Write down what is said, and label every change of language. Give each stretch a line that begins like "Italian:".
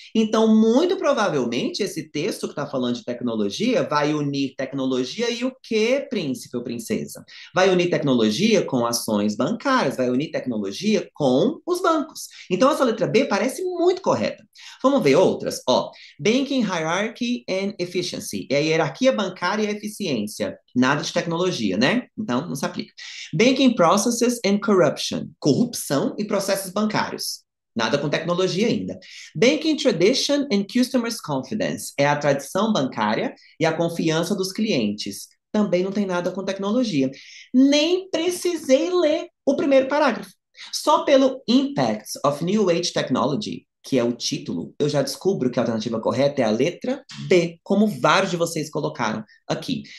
Portuguese: Então, muito provavelmente, esse texto que está falando de tecnologia vai unir tecnologia e o quê, príncipe ou princesa? Vai unir tecnologia com ações bancárias, vai unir tecnologia com os bancos. Então, essa letra B parece muito correta. Vamos ver outras. Ó,
English: Banking Hierarchy and Efficiency.
Portuguese: É a hierarquia bancária e a eficiência. Nada de tecnologia, né? Então, não se aplica.
English: Banking processes and corruption.
Portuguese: Corrupção e processos bancários. Nada com tecnologia ainda.
English: Banking tradition and customers' confidence.
Portuguese: É a tradição bancária e a confiança dos clientes. Também não tem nada com tecnologia. Nem precisei ler o primeiro parágrafo. Só pelo
English: Impacts of New Age Technology,
Portuguese: que é o título, eu já descubro que a alternativa correta é a letra B, como vários de vocês colocaram aqui.